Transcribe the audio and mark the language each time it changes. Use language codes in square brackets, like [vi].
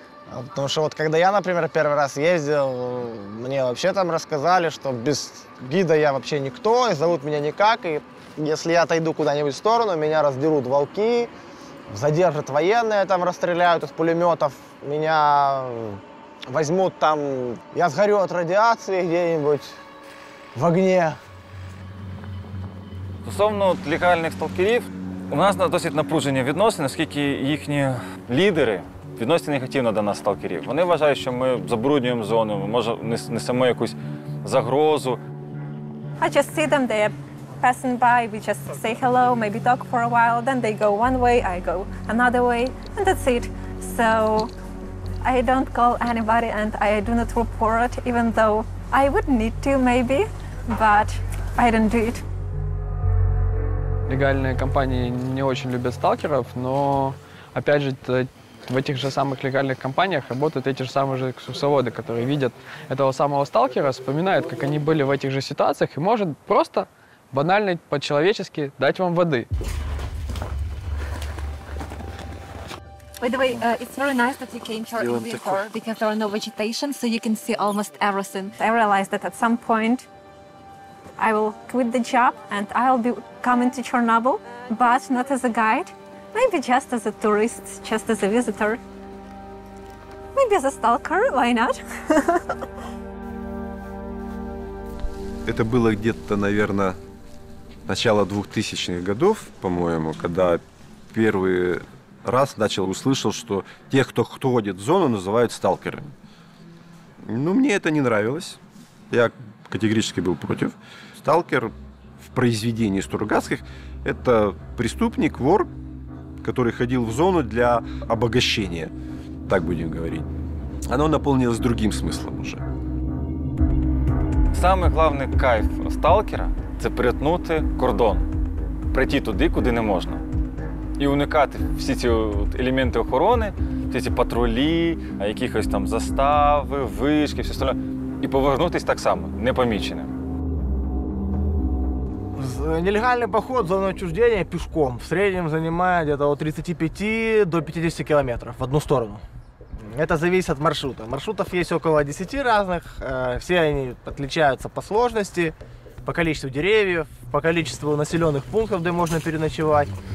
[ru] Потому что вот когда я, например, первый раз ездил, мне вообще там рассказали, что без гида я вообще никто, и зовут меня никак, и если я отойду куда-нибудь в сторону, меня раздерут волки, задержат военные, там расстреляют из пулеметов, меня возьмут там, я сгорю от радиации где-нибудь в огне. [uk] Стосовно легальних сталкерів, у нас досить напружені відносини, оскільки їхні лідери відносять негативно до нас, сталкерів. Вони вважають, що ми забруднюємо зону, ми може несемо якусь загрозу. [en] I just see them there passing by, we just say hello, maybe talk for a while, then they go one way, I go another way, and that's it. So I don't call anybody and I do not report, even though I would need to maybe, but I don't do it. [ru] Легальные компании не очень любят сталкеров, но, опять же, в этих же самых легальных компаниях работают эти же самые же экскурсоводы, которые видят этого самого сталкера, вспоминают, как они были в этих же ситуациях, и может просто, банально, по-человечески дать вам воды. [en] By the way, it's very nice that you came here in winter, because there are no vegetation, so you can see almost everything. I realized that at some point I will quit the job and I'll be coming to Chernobyl, but not as a guide, maybe just as a tourist, just as a visitor. Maybe as a stalker, why not? [ru] Это было где-то, наверное, начало 2000-х годов, по-моему, когда первый раз начал услышал, что те, кто ходит в зону, называют сталкерами. Ну, мне это не нравилось. Я категорически был против. Сталкер в произведении Стругацких – это преступник, вор, который ходил в зону для обогащения, так будем говорить. Оно наполнилось другим смыслом уже. Самый главный кайф сталкера – это [uk] перетнути кордон, прийти туди, куди не можна, и уникати всі ці елементи охорони, всі ці патрулі, якихось там застави, вишки, [ru] все остальное, [uk] і повернутися так само, непоміченим. [ru] Нелегальный поход в зону отчуждения пешком в среднем занимает где-то от 35 до 50 километров в одну сторону. Это зависит от маршрута. Маршрутов есть около 10 разных. Все они отличаются по сложности, по количеству деревьев, по количеству населенных пунктов, где можно переночевать.